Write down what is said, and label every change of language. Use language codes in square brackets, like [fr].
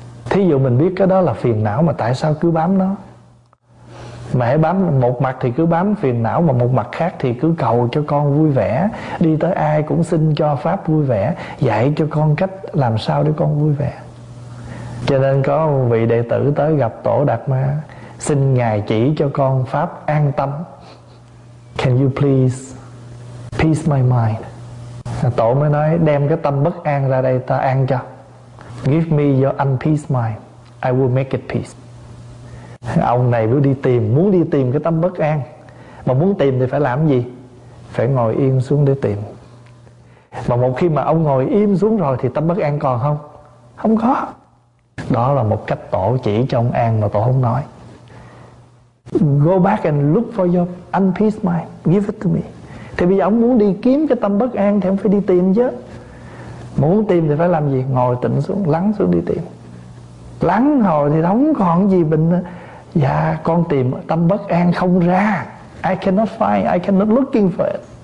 [vi] Thí dụ mình biết cái đó là phiền não, mà tại sao cứ bám nó? Mà hãy bám một mặt thì cứ bám phiền não, mà một mặt khác thì cứ cầu cho con vui vẻ, đi tới ai cũng xin cho pháp vui vẻ, dạy cho con cách làm sao để con vui vẻ. Cho nên có một vị đệ tử tới gặp Tổ Đạt Ma, xin Ngài chỉ cho con pháp an tâm. [en] Can you please peace my mind? [vi] Tổ mới nói đem cái tâm bất an ra đây ta an cho. [en] Give me your unpeace mind, I will make it peace. [vi] Ông này muốn đi tìm cái tâm bất an. Mà muốn tìm thì phải làm gì? Phải ngồi im xuống để tìm. Mà một khi mà ông ngồi im xuống rồi thì tâm bất an còn không? Không có. Đó là một cách Tổ chỉ cho ông an mà Tổ không nói. [en] Go back and look for your unpeace mind, give it to me. [vi] Thì bây giờ ông muốn đi kiếm cái tâm bất an thì ông phải đi tìm chứ. Muốn tìm thì phải làm gì? Ngồi tịnh xuống, lắng xuống đi tìm. Lắng hồi thì không còn gì bình. Dạ con tìm tâm bất an không ra, [en] I cannot find, I cannot looking for it.